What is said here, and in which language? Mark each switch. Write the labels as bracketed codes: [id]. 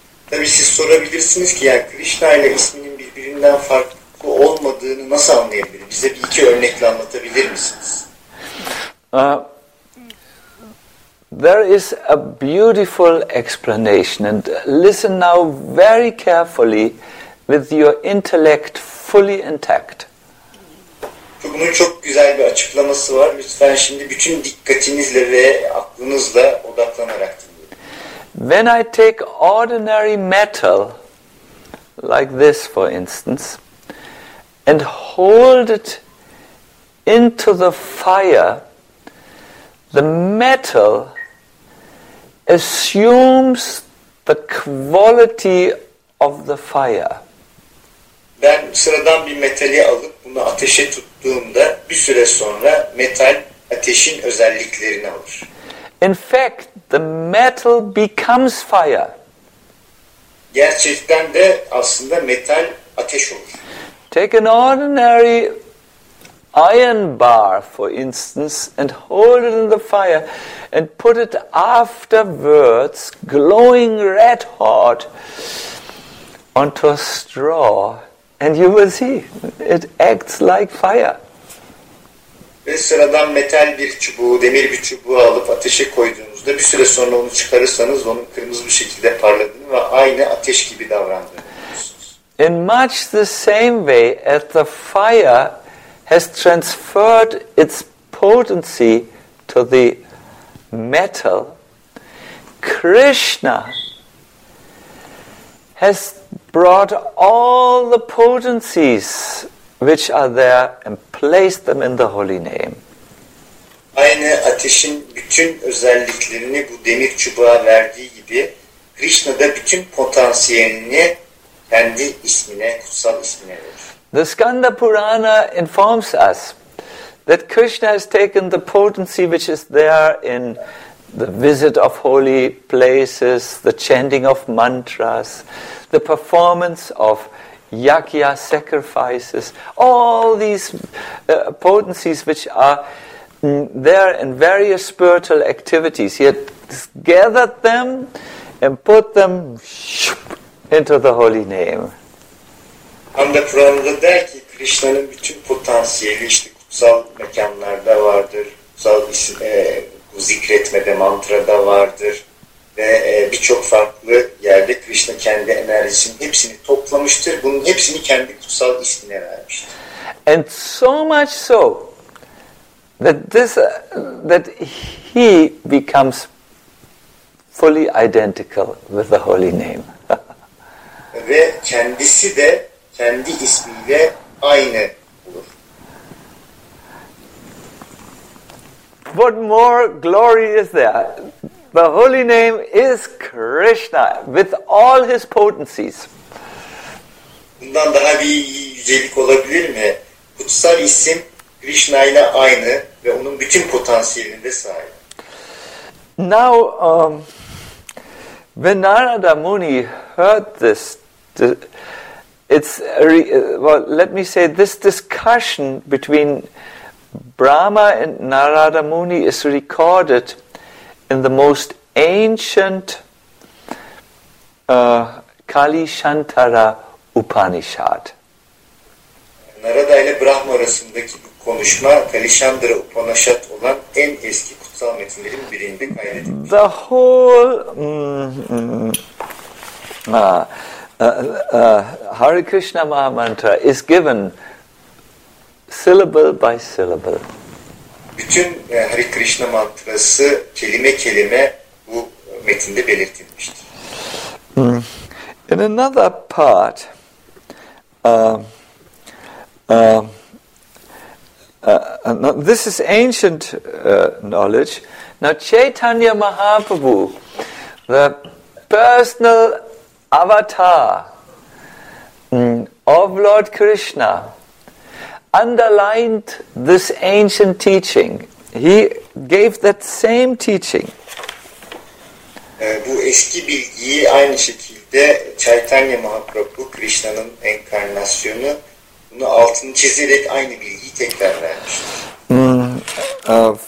[tr] Tabii siz sorabilirsiniz ki, yani Krishna ile isminin birbirinden farklı olmadığını nasıl anlayabilirim? Bize bir iki örnekle anlatabilir misiniz? [en] There is a beautiful explanation, and listen now very carefully with your intellect fully intact. [tr] Bunun çok güzel bir açıklaması var. Lütfen şimdi bütün dikkatinizle ve aklınızla odaklanarak dinleyin. [en] When I take ordinary metal, like this for instance, and hold it into the fire, the metal assumes the quality of the fire. [tr] Ben sıradan bir metali alıp bunu ateşe tuttuğumda bir süre sonra metal ateşin özelliklerini alır. [en] In fact, the metal becomes fire. [tr] Gerçekten de aslında metal ateş olur. [en] Take an ordinary iron bar, for instance, and hold it in the fire and put it afterwards glowing red hot onto a straw, and you will see it acts like fire. [tr] Ve sıradan metal bir çubuğu, demir bir çubuğu alıp ateşe koyduğunuzda bir süre sonra onu çıkarırsanız onun kırmızı bir şekilde parladığını ve aynı ateş gibi davrandığını görürsünüz. [en] In much the same way, at the fire has transferred its potency to the metal, Krishna has brought all the potencies which are there and placed them in the holy name. [tr] Aynı ateşin bütün özelliklerini bu demir çubuğa verdiği gibi, Krishna da bütün potansiyelini kendi ismine, kutsal ismine verir. [en] The Skanda Purana informs us that Krishna has taken the potency which is there in the visit of holy places, the chanting of mantras, the performance of yajna sacrifices, all these potencies which are there in various spiritual activities. He has gathered them and put them into the holy name. [tr] Amda Kur'an'da der ki Krishna'nın bütün potansiyeli işte kutsal mekanlarda vardır, kutsal zikretmede, mantrada vardır ve birçok farklı yerde Krishna kendi enerjisinin hepsini toplamıştır. Bunun hepsini kendi kutsal ismine vermiştir. [en] And so much so that this that he becomes fully identical with the holy name. [tr] Ve kendisi de kendi ismiyle aynı olur. [en] What more glory is there? The holy name is Krishna with all his potencies. [tr] Bundan daha bir yücelik olabilir mi? Kutsal isim Krishna ile aynı ve onun bütün potansiyeline sahip. [en] Now, when Narada Muni heard this, this discussion between Brahma and Narada Muni is recorded in the most ancient Kali Shantara Upanishad. [tr] Narada ile Brahma arasındaki bu konuşma Kali Shantara Upanishad olan en eski kutsal metinlerin birinde kaydedilmiş. [en] The whole Hare Krishna Maha Mantra is given syllable by syllable. [tr] Bütün Hare Krishna mantrası kelime kelime bu metinde belirtilmiştir. [en] In another part, this is ancient knowledge. Now, Chaitanya Mahaprabhu, the personal avatar of Lord Krishna, underlined this ancient teaching. He gave that same teaching. [tr] Bu eski bilgiyi aynı şekilde Chaitanya Mahaprabhu, Krishna'nın enkarnasyonu, bunu altını çizerek aynı bilgiyi tekrar vermiştir.